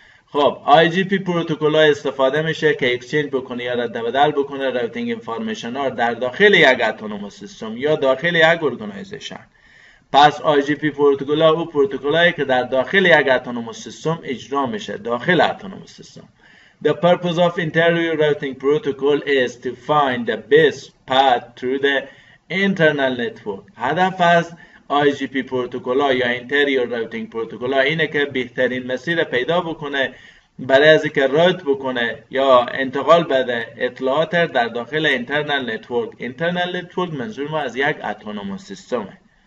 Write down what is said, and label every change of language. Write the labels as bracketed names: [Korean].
[Persian] خب IGP پروتکل ها استفاده میشه که اکسچنج بکنه یا رد بدل بکنه راوتینگ انفارمیشن ها در داخل یک اتونوموس سیستم یا داخل یک ارگانیزیشن. پس IGP پروتکل ها او پروتکل هایی که در داخل یک اتونوموس سیستم اجرا میشه داخل اتونوموس سیستم. [English] The purpose of interior routing protocol is to find the best path through the internal network. [Persian] هدف از IGP پروتکل ها یا اینتریور راوتینگ پروتکل ها اینه که بهترین مسیر پیدا بکنه برای از اینکه راوت بکنه یا انتقال بده اطلاعات در داخل اینترنال نتورک. اینترنال نتورک منظور ما از یک اتونوموس سیستمه.